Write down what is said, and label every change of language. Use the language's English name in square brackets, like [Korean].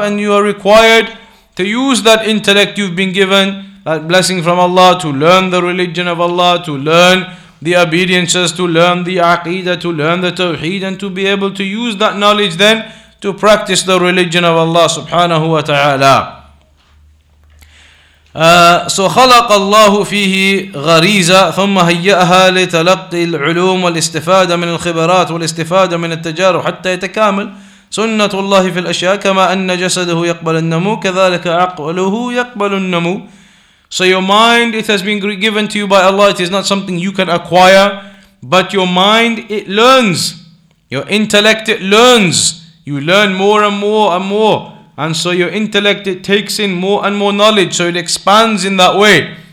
[English] And you are required to use that intellect you've been given, that blessing from Allah, to learn the religion of Allah, to learn the obediences, to learn the Aqeedah, to learn the Tawheed, and to be able to use that knowledge then to practice the religion of Allah subhanahu wa ta'ala. [Arabic] So خلق الله فيه غريزة ثم هيئها لتلقي العلوم والاستفادة من الخبرات والاستفادة من التجارب حتى يتكامل سنة الله في الأشياء كما أن جسده يقبل النمو كذلك عقله يقبل النمو. [English] So your mind, it has been given to you by Allah. It is not something you can acquire. But your mind, it learns. Your intellect, it learns. You learn more and more and more. And so your intellect, it takes in more and more knowledge. So it expands in that way.